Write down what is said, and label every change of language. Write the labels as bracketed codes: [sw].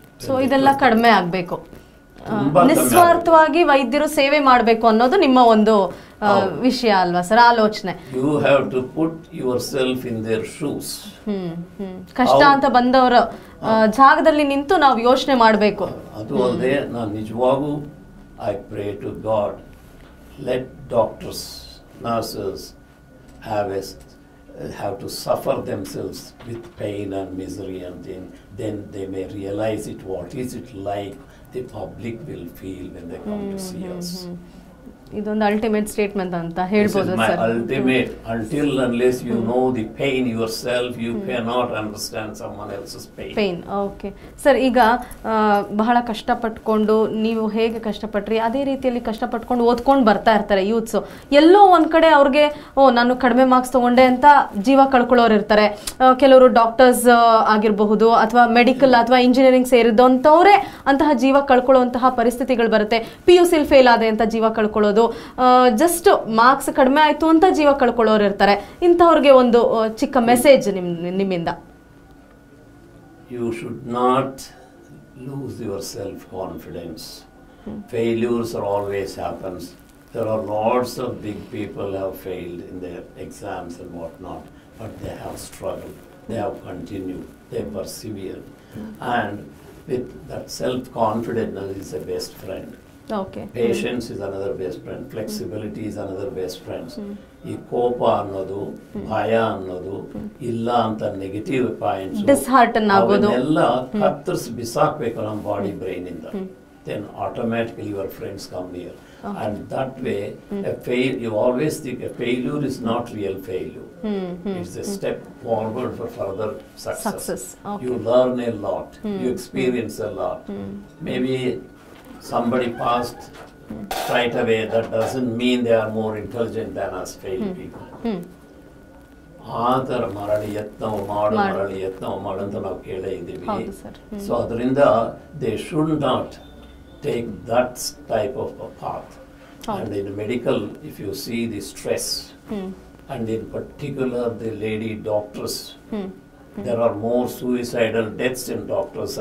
[kn] So ಇದೆಲ್ಲ ಕಡಿಮೆ ಆಗಬೇಕು, ನಿಸ್ವಾರ್ಥವಾಗಿ ವೈದ್ಯರು ಸೇವೆ ಮಾಡಬೇಕು ಅನ್ನೋದು ನಿಮ್ಮ ಒಂದು ವಿಷಯ ಅಲ್ವಾ ಸರ್, ಆಲೋಚನೆ. [en] You have to put yourself in their shoes. [kn] ಕಷ್ಟ ಅಂತ ಬಂದವರ ಜಾಗದಲ್ಲಿ ನಿಂತು ನಾವು ಯೋಚನೆ ಮಾಡಬೇಕು. ಅದು ಅಲ್ಲದೆ ನಾನು ನಿಜವಾಗೂ [en] I pray to God let doctors nurses have as have to suffer themselves with pain and misery, and then they may realize it, what is it like the public will feel when they come to see us. [kn] ಇದೊಂದು ultimate statement ಅಂತ ಹೇಳ್ಬೋದು sir. [en] Ultimate, until unless you know the pain yourself you can not understand someone else's pain. Pain, okay sir. [kn] ಈಗ ಬಹಳ ಕಷ್ಟಪಟ್ಕೊಂಡು ನೀವು ಹೇಗೆ ಕಷ್ಟಪಟ್ರಿ ಅದೇ ರೀತಿಯಲ್ಲಿ ಕಷ್ಟಪಟ್ಕೊಂಡು ಓದ್ಕೊಂಡು ಬರ್ತಾ ಇರ್ತಾರೆ ಯೂತ್ಸು. ಎಲ್ಲೋ ಒಂದು ಕಡೆ ಅವ್ರಿಗೆ ಓ ನಾನು ಕಡಿಮೆ ಮಾರ್ಕ್ಸ್ ತೊಗೊಂಡೆ ಅಂತ ಜೀವ ಕಳ್ಕೊಳ್ಳೋರು ಇರ್ತಾರೆ. ಕೆಲವರು ಡಾಕ್ಟರ್ಸ್ ಆಗಿರಬಹುದು ಅಥವಾ ಮೆಡಿಕಲ್ ಅಥವಾ ಇಂಜಿನಿಯರಿಂಗ್ ಸೇರಿದಂಥವರೇ ಅಂತಹ ಜೀವ ಕಳ್ಕೊಳ್ಳುವಂತಹ ಪರಿಸ್ಥಿತಿಗಳು ಬರುತ್ತೆ. ಪಿ ಯು ಸಿಲ್ ಫೇಲ್ ಆದೆ ಅಂತ ಜೀವ ಕಳ್ಕೊಳ್ಳೋದು, ಜಸ್ಟ್ ಮಾರ್ಕ್ಸ್ ಕಡಿಮೆ ಆಯಿತು ಅಂತ ಜೀವ ಕಳ್ಕೊಳ್ಳೋರು ಇರ್ತಾರೆ. ಇಂಥವ್ರಿಗೆ ಒಂದು ಚಿಕ್ಕ ಮೆಸೇಜ್ ನಿಮ್ಮಿಂದ. [en] You should not lose yourself confidence. Failures are always happens. There are lots of big people have failed in their exams and what not, but they have struggle, they have continue, they persevere, and with that self confidence is a best friend. Okay. Patience is another best friend. Flexibility is another best friend. [kn] ಈ ಕೋಪ ಅನ್ನೋದು, ಭಯ ಅನ್ನೋದು, ಇಲ್ಲ ಅಂತ negative points, ಡಿಸ್ಹಾರ್ಟನ್ ಆಗೋದು ಎಲ್ಲ ಕತ್ತರಿಸಿ ಬಿಸಾಕ್ಬೇಕು ನಮ್ಮ ಬಾಡಿ ಬ್ರೈನ್ ಇಂದ. [en] Then automatically your friends come near, and that way a fail you always think a failure is not real failure, it's a step forward for further success. You learn a lot, you experience a lot. Maybe somebody passed straight away, that doesn't mean they are more intelligent than us failed people. [kn] ಆದರ ಮರಳಿ ಯತ್ನವ ಮಾಡು, ಮರಳಿ ಯತ್ನವ ಮಾಡು ಅಂತ ನಾವು ಕೇಳೇ ಇದ್ದೀವಿ. [en] so [kn] ಅದರಿಂದ [en] They should not take that type of a path. And in medical if you see the stress and in particular the lady doctors, there are more suicidal deaths in doctors.